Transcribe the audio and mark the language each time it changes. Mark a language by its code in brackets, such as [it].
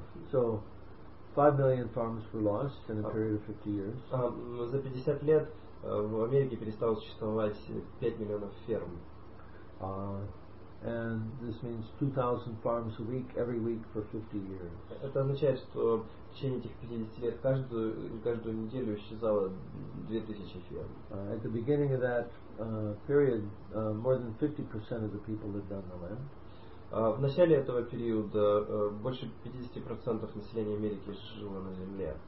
[en] So 5 million farms were lost in a period of 50 years. [ru] За 50 лет в Америке перестало существовать 5 миллионов ферм. [en] And this means 2,000 farms a week, every week for 50 years. [ru] Это означает, что в течение этих 50 лет каждую неделю исчезало 2,000 ферм. [en] At the beginning of that period, more than 50% of the people lived on the land. [ru] В начале этого периода больше 50% населения Америки жило на земле.